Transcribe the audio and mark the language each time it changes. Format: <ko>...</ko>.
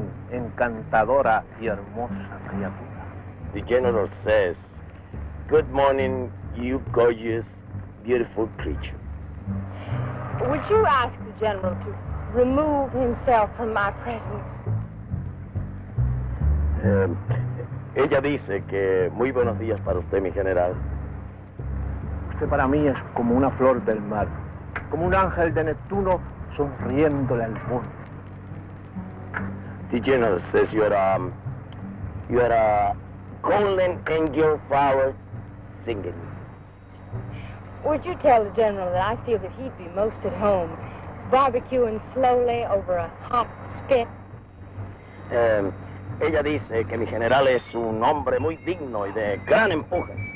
<es>Encantadora y hermosa criatura.</es> <en>The general says, good morning, you gorgeous, beautiful creature. Would you ask the general to remove himself from my presence?</en> <es>Ella dice que muy buenos días para usted, mi general. Usted para mí es como una flor del mar, como un ángel de Neptuno sonriéndole al mundo.</es> <en>The general says you're a golden angel flower singing. Would you tell the general that I feel that he'd be most at home barbecuing slowly over a hot spit?</en> <es>Ella dice que mi general es un hombre muy digno y de gran empuje.</es>